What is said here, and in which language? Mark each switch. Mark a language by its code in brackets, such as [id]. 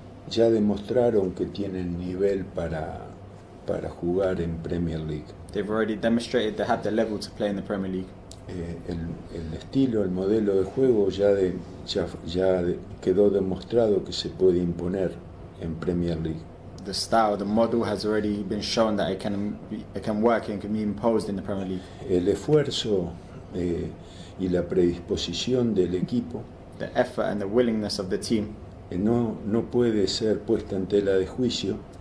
[es] ya demostraron que tienen nivel para jugar en Premier League. [en] They've already demonstrated they have the level to play in the Premier League. [es] El estilo, el modelo de juego ya quedó demostrado que se puede imponer en Premier League. [en] The style, the model has already been shown that it can work and can be imposed in the Premier League. [es] El esfuerzo y la predisposición del equipo, [en] the effort and the willingness of the team, [es] no puede ser puesta en tela de juicio.